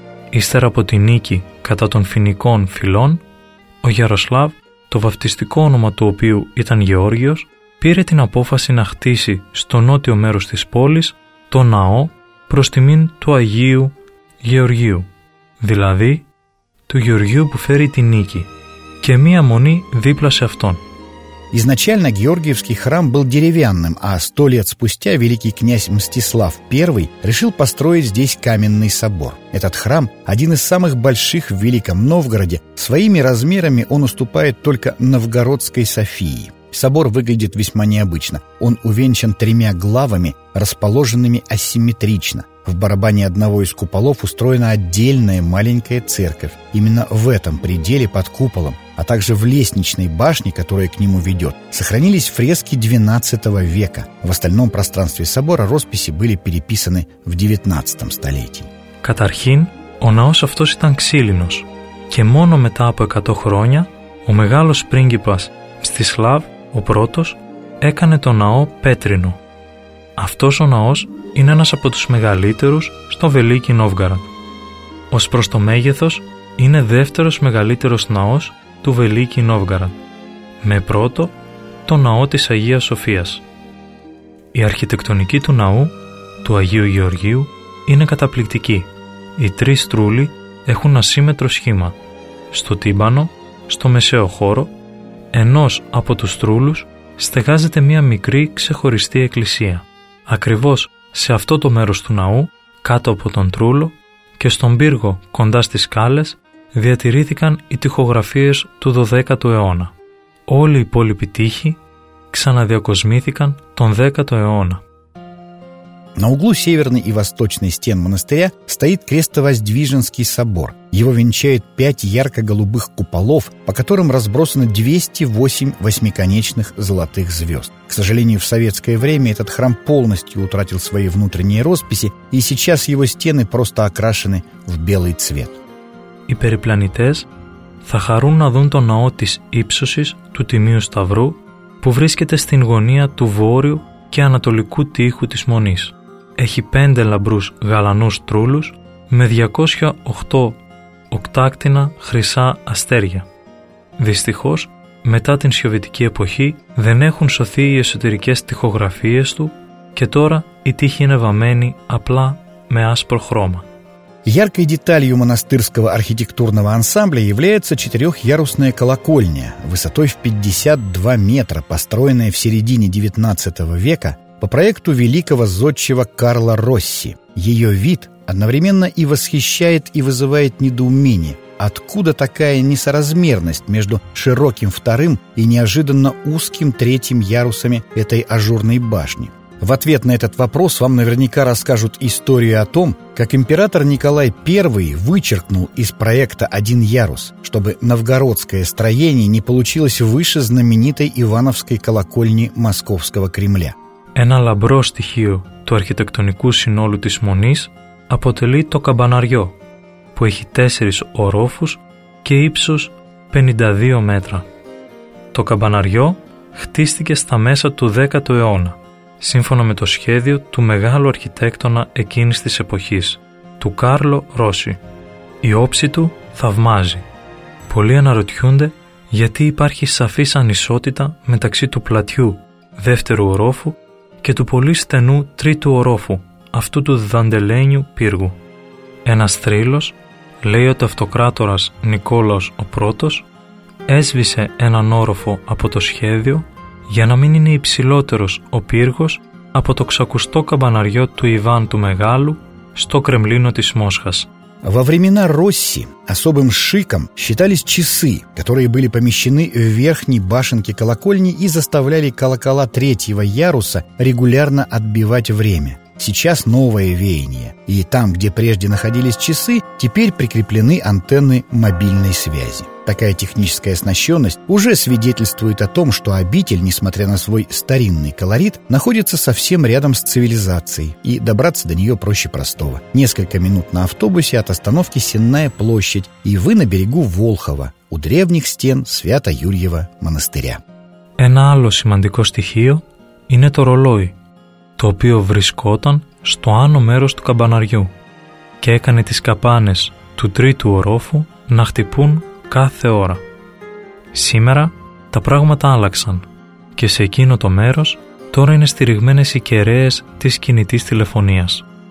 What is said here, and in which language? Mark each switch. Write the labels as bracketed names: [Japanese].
[Greek] Ύστερα από τη νίκη κατά των Φινικών φυλών, ο Γιαρασλάβ, το βαπτιστικό όνομα του οποίου ήταν Γεώργιος, πήρε την απόφαση να χτίσει στο νότιο μέρος της πόλης το ναό προς τιμήν του Αγίου Γεωργίου, δηλαδή του Γεωργίου που φέρει τη νίκη, και μία μονή δίπλα σε αυτόν. [Russian] Изначально Георгиевский храм был деревянным, а 100 лет спустя великий князь Мстислав I решил построить здесь каменный собор. Этот храм – один из самых больших в Великом Новгороде. Своими размерами он уступает только Новгородской Софии. Собор выглядит весьма необычно. Он увенчан тремя главами, расположенными асимметрично. В барабане одного из куполов устроена отдельная маленькая церковь. Именно в этом пределе под куполом, а также в лестничной башне, которая к нему ведет, сохранились фрески XII века. В остальном пространстве собора росписи были переписаны в XIX столетии. [Greek] Καταρχήν, ο ναός αυτός ήταν ξύλινος. Και μόνο μετά από 100 χρόνια, ο μεγάλος πρίγκιπας Μστισλάβ, ο πρώτος, έκανε το ναό πέτρινο. Αυτός ο ναός είναι ένας από τους μεγαλύτερους στο Βελίκη Νόβγαρα. Ως προς το μέγεθος, είναι δεύτερος μεγαλύτερος ναός του Βελίκη Νόβγαρα, με πρώτο το ναό της Αγίας Σοφίας. Η αρχιτεκτονική του ναού, του Αγίου Γεωργίου, είναι καταπληκτική. Οι τρεις στρούλοι έχουν ασύμετρο σχήμα. Στο τύμπανο, στο μεσαίο χώρο, ενός από τους στρούλους στεγάζεται μία μικρή ξεχωριστή εκκλησία. Ακριβώς σε αυτό το μέρος του ναού, κάτω από τον Τρούλο και στον πύργο κοντά στις σκάλες, διατηρήθηκαν οι τοιχογραφίες του 12ου αιώνα. Όλοι οι υπόλοιποι τοίχοι ξαναδιακοσμήθηκαν τον 10ο αιώνα. [Russian] На углу северной и восточной стен монастыря стоит крестовоздвиженский собор. Его венчает 5 ярко-голубых куполов, по которым разбросано 208 восьмиконечных золотых звезд. К сожалению, в советское время этот храм полностью утратил свои внутренние росписи, и сейчас его стены просто окрашены в белый цвет. [Greek] Οι περιπλανητές θα χαρούν να δουν το ναό της ύψωσης του Τιμίου Σταυρού, που βρίσκεται στην γωνία του βόρειου και ανατολικού τοίχου της Μονής. Έχει 5 λαμπρούς γαλανούς τρούλους με 208 οκτάκτινα χρυσά αστέρια. Δυστυχώς, μετά την σοβιετική εποχή δεν έχουν σωθεί οι εσωτερικές τοιχογραφίες του και τώρα η τοίχη είναι βαμμένη απλά με άσπρο χρώμα. [Russian] Яркой деталью монастырского архитектурного ансамбля является четырехъярусная колокольня высотой в 52 метра, построенная в середине XIX века по проекту великого зодчего Карла Росси. Ее вид одновременно и восхищает, и вызывает недоумение. Откуда такая несоразмерность между широким вторым и неожиданно узким третьим ярусами этой ажурной башни? В ответ на этот вопрос вам наверняка расскажут историю о том, как император Николай I вычеркнул из проекта один ярус, чтобы новгородское строение не получилось выше знаменитой Ивановской колокольни Московского Кремля. [Greek] Ένα λαμπρό στοιχείο του αρχιτεκτονικού συνόλου της Μονής αποτελεί το καμπαναριό, που έχει 4 ορόφους και ύψος 52 μέτρα. Το καμπαναριό χτίστηκε στα μέσα του 10ου αιώνα, σύμφωνα με το σχέδιο του μεγάλου αρχιτέκτονα εκείνης της εποχής, του Κάρλο Ρώση. Η όψη του θαυμάζει. Πολλοί αναρωτιούνται γιατί υπάρχει σαφής ανισότητα μεταξύ του πλατιού, δεύτερου ορόφου και του πολύ στενού τρίτου ορόφου, αυτού του δαντελένιου πύργου. Ένας θρύλος, λέει ο αυτοκράτορας Νικόλαος ο Πρώτος, έσβησε έναν όροφο από το σχέδιο για να μην είναι υψηλότερος ο πύργος από το ξακουστό καμπαναριό του Ιβάν του Μεγάλου στο Κρεμλίνο της Μόσχας. [Russian] Во времена Росси особым шиком считались часы, которые были помещены в верхней башенке колокольни и заставляли колокола третьего яруса регулярно отбивать время. Сейчас новое веяние, и там, где прежде находились часы, теперь прикреплены антенны мобильной связи. Такая техническая оснащенность уже свидетельствует о том, что обитель, несмотря на свой старинный колорит, находится совсем рядом с цивилизацией, и добраться до нее проще простого. Несколько минут на автобусе от остановки Сенная площадь, и вы на берегу Волхова, у древних стен Свято-Юрьева монастыря. [Greek] Ένα άλλο σημαντικό στοιχείο είναι το ρολόι, το οποίο βρισκόταν στο άνω μέρος του καμπαναριού και έκανε τις καπάνες του τρίτου ορόφου να χτυπούν κάθε ώρα. Σήμερα τα πράγματα άλλαξαν και σε εκείνο το μέρος τώρα είναι στηριγμένες οι κεραίες της κινητής τηλεφωνίας.